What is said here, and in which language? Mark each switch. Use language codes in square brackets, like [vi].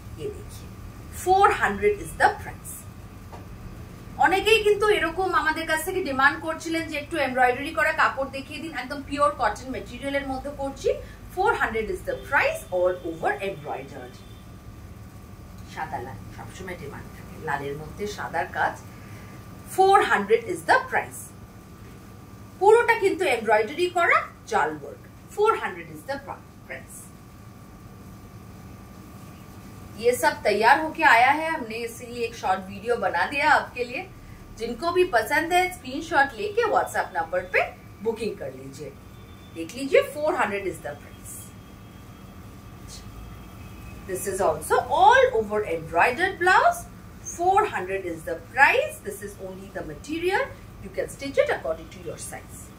[bn] এই দেখিয়ে [en] 400 is the price. [bn] অনেকেই কিন্তু এরকম আমাদের কাছ থেকে ডিমান্ড করছিলেন যে একটু এমব্রয়ডারি করা কাপড় দেখিয়ে দিন, একদম পিওর কটন মেটেরিয়ালের মধ্যে করছি, 400 is the price [en] All over embroidered. [bn] সাদা লাল সবসময় ডিমান্ড থাকে, লালের মধ্যে সাদার কাজ, [en] 400 is the price. [bn] পুরোটা কিন্তু এমব্রয়ডারি করা জাল ওয়ার্ক, [en] 400 is the price. [hi] ये सब तैयार होके आया है, हमने इसलिए एक शॉर्ट वीडियो बना दिया आपके लिए। जिनको भी पसंद है स्क्रीनशॉट लेके व्हाट्सएप नंबर पे बुकिंग कर लीजिए, देख लीजिए [en] 400 is the price. This is also all over embroidered blouse. 400 is the price. This is only the material. You can stitch it according to your size.